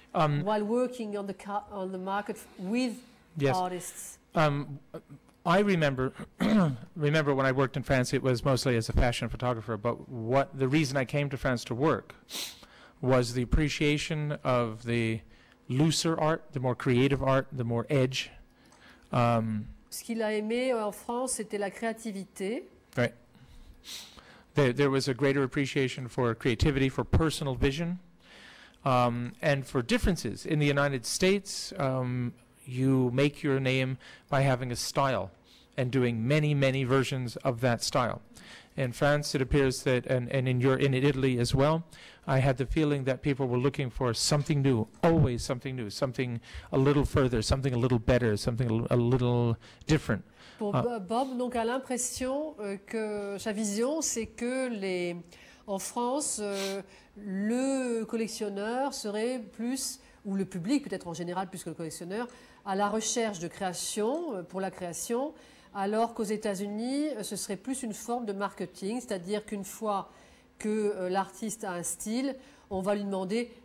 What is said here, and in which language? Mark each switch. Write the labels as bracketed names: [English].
[English] While working on the market with artists? I remember when I worked in France, it was mostly as a fashion photographer. But the reason I came to France to work was the appreciation of the looser art, the more creative art, the more edge. [French] Ce qu'il a aimé en France, c'était la créativité. [English] Right. There was a greater appreciation for creativity, for personal vision, and for differences. In the United States, you make your name by having a style and doing many, many versions of that style. In France, it appears that, and in Italy as well, I had the feeling that people were looking for something new, always something new, something a little further, something a little better, something a little different. [French] Pour Bob, donc, a l'impression que sa vision, c'est que en France, le collectionneur serait plus, ou le public peut-être en général plus que le collectionneur, à la recherche de création, pour la création, alors qu'aux États-Unis, ce serait plus une forme de marketing, c'est-à-dire qu'une fois que l'artiste a un style, on va lui demander